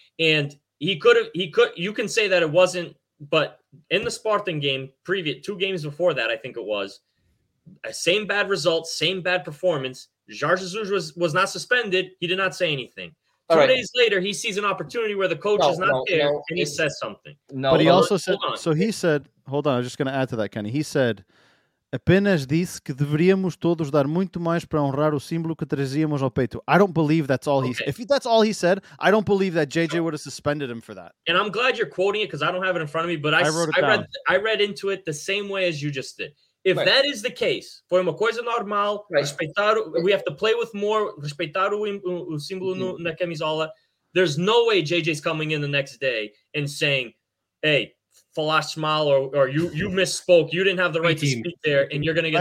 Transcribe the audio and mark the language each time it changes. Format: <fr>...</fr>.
<en>And you can say that it wasn't, but in the Spartan game, two games before that, I think it was, same bad results, same bad performance. Jarzus Duj was not suspended. He did not say anything. Two days later, he sees an opportunity where the coach is not there, and he says something. Hold on, I'm just going to add to that, Kenny. He said,</en> <pt>apenas disse que deveríamos todos dar muito mais para honrar o símbolo que trazíamos ao peito.</pt> <en>I don't believe that's all he said. If that's all he said, I don't believe that JJ would have suspended him for that. And I'm glad you're quoting it because I don't have it in front of me, but I read into it the same way as you just did. If that is the case, for</en> <pt>uma coisa normal,</pt> <en>we have to play with more,</en> <pt>respeitar o símbolo na camisola,</pt> <en>there's no way JJ's coming in the next day and saying, hey,</en> <pt>falaste mal,</pt> <en>or you misspoke, you didn't have the right to speak there, and you're going to get...</en>